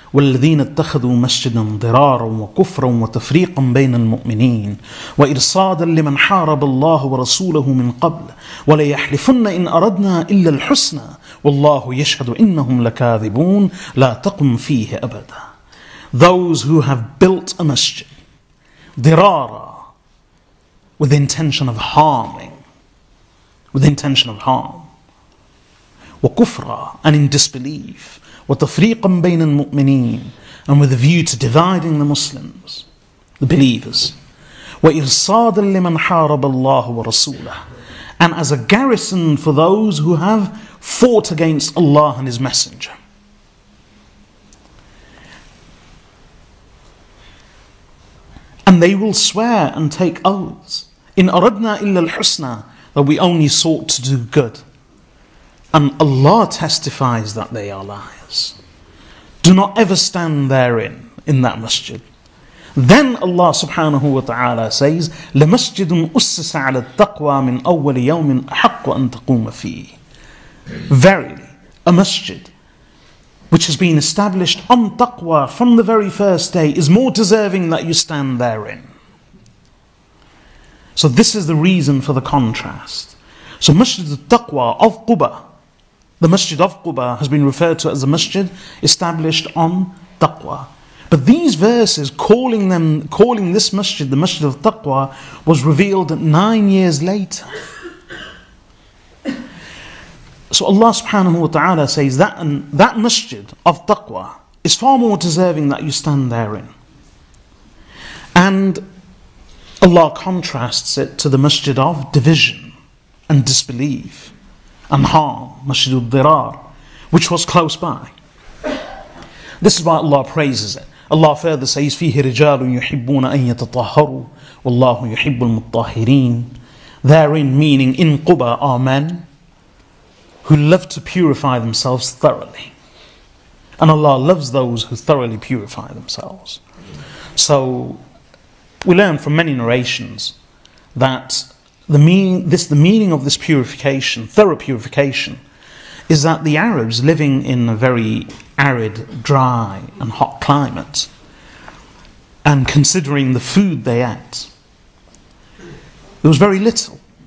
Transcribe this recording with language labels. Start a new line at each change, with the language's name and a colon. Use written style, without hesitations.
Arabic: والذين اتخذوا مسجدا ضرارا وكفرا وتفريقا بين المؤمنين وإرصادا لمن حارب الله ورسوله من قبل وليحلفن إن أردنا إلا الحسنى والله يشهد إنهم لكاذبون لا تقم فيه أبدا.
English: Those who have built a masjid dirara with the intention of harming, with the intention of harm, وكفرا and in disbelief,
Arabic: وتفريقا بين المؤمنين
English: and with a view to dividing the Muslims, the believers,
Arabic: وإرصادا لمن حارب الله ورسوله,
English: and as a garrison for those who have fought against Allah and His Messenger. And they will swear and take oaths, in
Arabic: أَرَدْنَا إِلَّا الْحُسْنَى,
English: that we only sought to do good. And Allah testifies that they are liars. Do not ever stand therein, in that masjid. Then Allah subhanahu wa ta'ala says,
Arabic: لَمَسْجِدٌ أُسِّسَ عَلَى التَّقْوَى مِنْ أَوَّلِ يَوْمٍ أَحَقُّ أَنْ تَقُومَ فِيهِ.
English: Verily, a masjid which has been established on taqwa from the very first day is more deserving that you stand therein. So this is the reason for the contrast. So Masjid al-Taqwa of Quba, the Masjid of Quba has been referred to as a masjid established on taqwa. But these verses calling this masjid the Masjid al-Taqwa was revealed 9 years later. So Allah subhanahu wa ta'ala says that and that masjid of taqwa is far more deserving that you stand therein. And Allah contrasts it to the masjid of division and disbelief and harm, masjid al-dirar, which was close by. This is why Allah praises it. Allah further says,
Arabic: فِيهِ رِجَالٌ يُحِبُّونَ أَن يَتَطَهَّرُوا وَاللَّهُ يُحِبُّ الْمُطَّهِرِينَ.
English: Therein meaning in Quba are men who love to purify themselves thoroughly. And Allah loves those who thoroughly purify themselves. So, we learn from many narrations that the meaning of this purification, thorough purification, is that the Arabs living in a very arid, dry and hot climate, and considering the food they ate, there was very little.